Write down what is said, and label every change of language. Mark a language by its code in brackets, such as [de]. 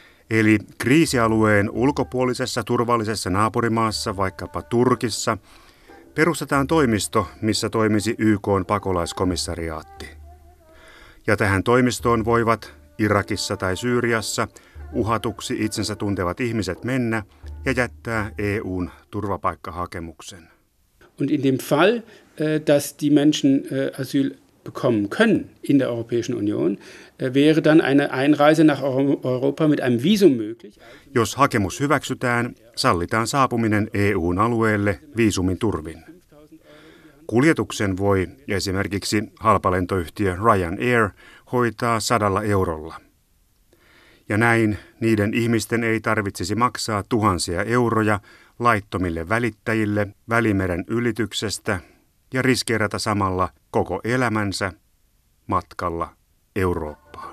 [fi] Eli kriisialueen ulkopuolisessa turvallisessa naapurimaassa, vaikkapa Turkissa, perustetaan toimisto, missä toimisi YK:n pakolaiskomissariaatti. Ja tähän toimistoon voivat Irakissa tai Syyriassa uhatuksi itsensä tuntevat ihmiset mennä ja jättää EU:n turvapaikkahakemuksen. [de] Und in dem Fall, dass die Menschen Asyl bekommen können in der Europäischen Union, wäre dann eine Einreise nach Europa mit einem Visum möglich. [fi] Jos hakemus hyväksytään, sallitaan saapuminen EU:n alueelle viisumin turvin. Kuljetuksen voi esimerkiksi halpalentoyhtiö Ryanair hoitaa 100 eurolla. Ja näin niiden ihmisten ei tarvitsisi maksaa tuhansia euroja laittomille välittäjille Välimeren ylityksestä ja riskeerata samalla koko elämänsä matkalla Eurooppaan.